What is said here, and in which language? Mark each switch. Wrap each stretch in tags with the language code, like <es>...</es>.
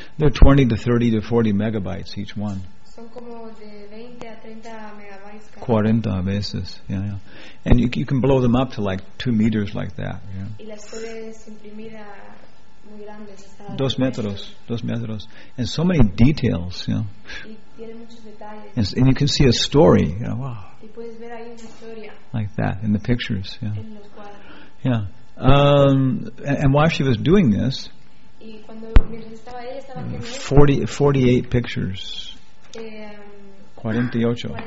<en>They're 20 to 30 to 40 megabytes each one.</en> <es>Son como de 20 a 30 megabytes cada 40 a veces. Yeah.</es> <en>And you can blow them up to like 2 meters like that. Yeah.</en> <es>Y las puedes imprimir a muy grandes. Dos metros.</es> <en>And so many details. Yeah.</en> <es>Y tiene muchos detalles.</es> <en>And you can see a story. You know, wow.</en> <es>Y puedes ver ahí una historia.</es> <en>Like that in the pictures. Yeah.</en> <es>En los cuadros.</es> <en>Yeah. And while she was doing this, 48 pictures. 48.</en>